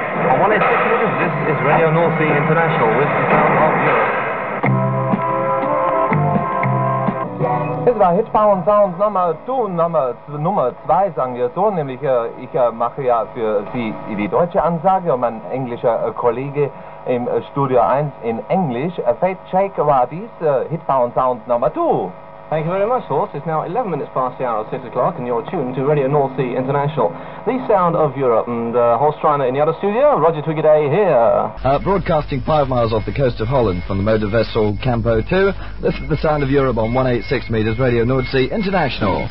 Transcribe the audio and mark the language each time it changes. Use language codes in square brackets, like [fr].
[en] And when it's 6 o'clock, this is Radio Northsea International with the sound of Europe. [de] Es war Hitbound Sound Nummer 2, sagen wir so. Nämlich, ich mache ja für Sie die deutsche Ansage und mein englischer Kollege im Studio 1 in Englisch. Fate Check war dies, Hitbound Sound Nummer 2. [en] Thank you very much, Horst. It's now 11 minutes past the hour of 6 o'clock, and you're tuned to Radio Northsea International, the sound of Europe. And Horst Reiner in the other studio, Roger Twiggaday here. Broadcasting 5 miles off the coast of Holland from the motor vessel Campo 2, this is the sound of Europe on 186 metres, Radio Northsea International.